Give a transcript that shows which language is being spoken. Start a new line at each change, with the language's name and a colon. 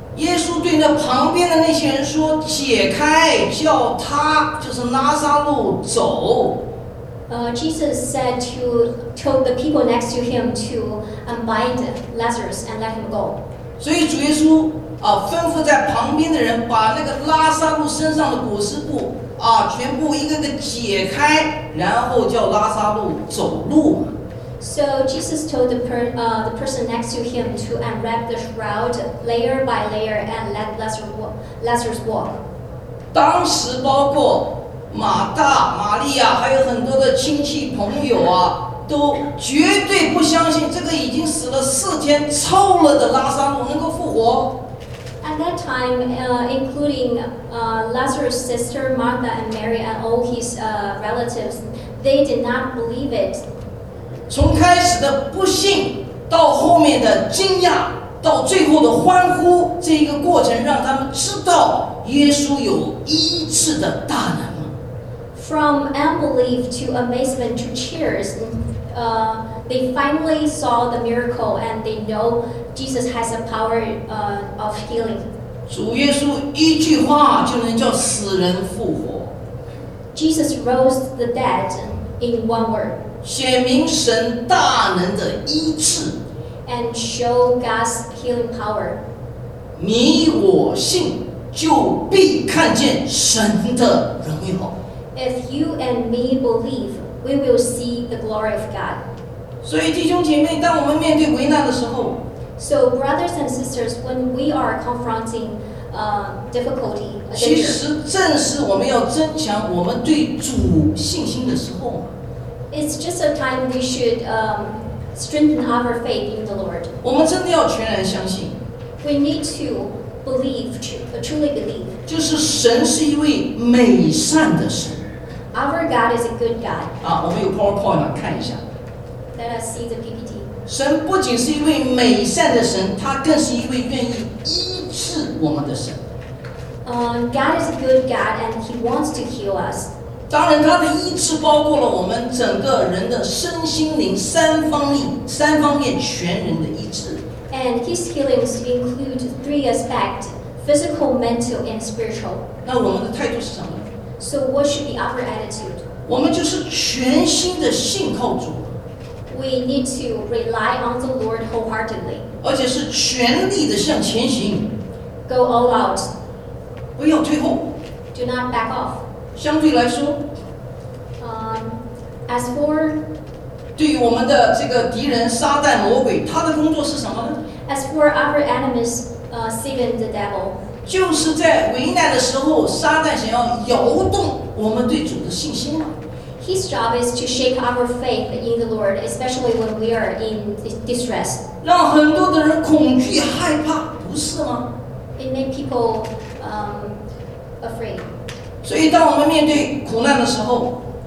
Chinese: 耶稣对那旁边的那些人说：“解开，叫他，就是拉撒路走。”
English: Jesus said to told the people next to him to unbind Lazarus and let him go.
Chinese: 所以主耶稣吩咐在旁边的人把那个拉撒路身上的裹尸布全部一个个解开，然后叫拉撒路走路。
English: So Jesus told the person next to him to unwrap the shroud layer by layer and let Lazarus walk.
Chinese: 当时包括马大、玛利亚还有很多的亲戚朋友都绝对不相信这个已经死了四天臭了的拉撒路能够复活。
English: At that time, including Lazarus' sister Martha and Mary and all his relatives, they did not believe it.
Chinese: 从开始的不信到后面的惊讶到最后的欢呼，这一个过程让他们知道耶稣有医治的大能。
English: From unbelief to amazement to cheers, they finally saw the miracle and they know Jesus has a power of healing.
Chinese: 主耶稣一句话就能叫死人复活。
English: Jesus rose the dead in one word.
Chinese: 显明神大能的医治。
English: And show God's healing power.
Chinese: 你我信就必看见神的荣耀。
English: If you and me believe, we will see the glory of God.
Chinese: 所以弟兄姐妹，当我们面对危难的时候，
English: So brothers and sisters, when we are confronting difficulty,
Chinese: 其实正是我们要增强我们对主信心的时候。
English: It's just a time we should strengthen our faith in the Lord.
Chinese: 我们真的要全然相信。
English: We need to believe, truly believe.
Chinese: 就是神是一位美善的神。
English: Our God is a good God.
Chinese: 我们有 PowerPoint 看一下。
English: Let us see the PPT.
Chinese: 神不仅是一位美善的神，他更是一位愿意医治我们的神。
English: God is a good God and he wants to heal us.
Chinese: 当然他的医治包括了我们整个人的身心灵三方面全人的医治。
English: And his healings include three aspects, physical, mental, and spiritual.
Chinese: 那我们的态度是什么？
English: So what should be our attitude?
Chinese: 我们就是全心的信靠主。
English: We need to rely on the Lord wholeheartedly.
Chinese: 而且是全力的向前行。
English: Go all out.
Chinese: 不要退后。
English: Do not back off.
Chinese: 相对来说，
English: as for
Chinese: 对于我们的这个敌人撒旦魔鬼，他的工作是什么呢？
English: As for our enemies, Satan the devil.
Chinese: 就是在危难的时候，撒旦想要摇动我们对主的信心。
English: His job is to shake our faith in the Lord, especially when we are in distress.
Chinese: 让很多的人恐惧害怕，不是吗？
English: It make people afraid.
Chinese: 所以当我们面对苦难的时候，